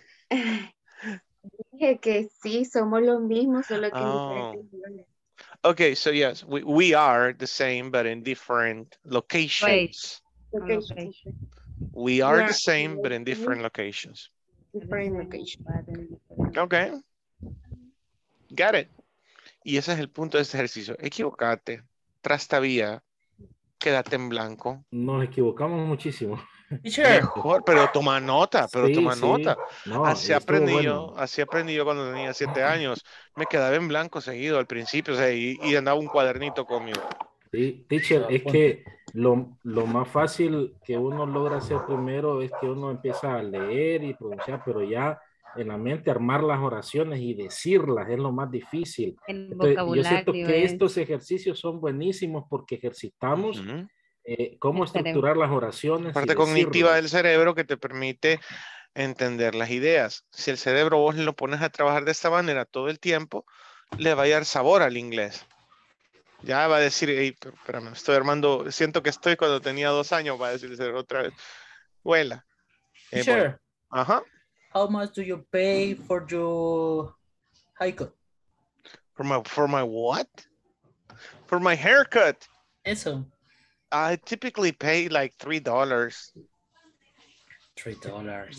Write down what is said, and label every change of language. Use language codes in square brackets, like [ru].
[es] Dije que sí, somos los mismos, solo que [en] Okay, so yes, we are the same, but in different locations. We are the same, but in different locations. Different locations. Okay. Got it. [es] Y ese es el punto de este ejercicio. Equivocate, trastabía. quédate en blanco. Nos equivocamos muchísimo. Mejor, pero toma nota, pero sí, toma sí. nota. No, así aprendí bueno. yo, así aprendí yo cuando tenía 7 años. Me quedaba en blanco seguido al principio, o sea, y andaba un cuadernito conmigo. Sí, teacher, es que lo más fácil que uno logra hacer primero es que uno empieza a leer y pronunciar, pero ya en la mente armar las oraciones y decirlas es lo más difícil. Entonces, vocabulario, yo siento que estos ejercicios son buenísimos porque ejercitamos uh-huh. Cómo estructurar las oraciones. Parte cognitiva del cerebro que te permite entender las ideas. Si el cerebro vos lo pones a trabajar de esta manera todo el tiempo, le va a dar sabor al inglés. Ya va a decir, hey, espérame, estoy armando, siento que estoy cuando tenía 2 años, va a decirse otra vez. Vuela. Sure. Bueno. Ajá. [en] How much do you pay for your haircut? For my what? For my haircut. [es] Eso. [en] I typically pay like $3. $3.